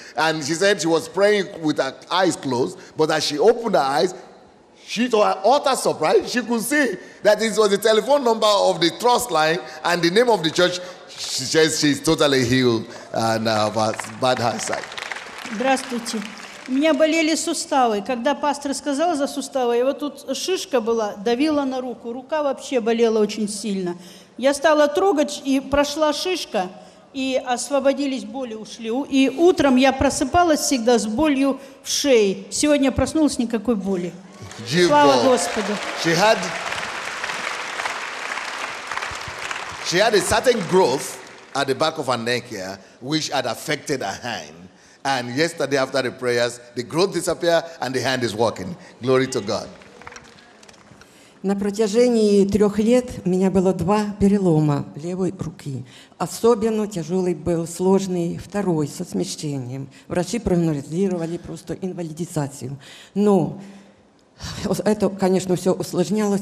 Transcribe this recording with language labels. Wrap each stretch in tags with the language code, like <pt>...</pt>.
<en>And she said she was praying with her eyes closed, but as she opened her eyes, she, to her utter surprise, she could see that it was the telephone number of the trust line and the name of the church. She says she's totally healed and has bad eyesight.</en> <ru>Здравствуйте. У меня болели суставы. Когда пастор сказал за суставы, и вот тут шишка была, давила на руку. Рука вообще болела очень сильно. Я стала трогать, и прошла шишка, и освободились боли, ушли. И утром я просыпалась всегда с болью в шее. Сегодня проснулась, никакой боли. Слава Господу.</ru> <en>She had a certain growth at the back of her neck here, which had affected her hand. And yesterday after the prayers, the growth disappeared and the hand is walking. Glory to God.</en> <ru>На протяжении трех лет у меня было два перелома левой руки. Особенно тяжелый был сложный второй со смещением. Врачи прогнозировали просто инвалидизацию. Но это, конечно, все усложнялось.</ru>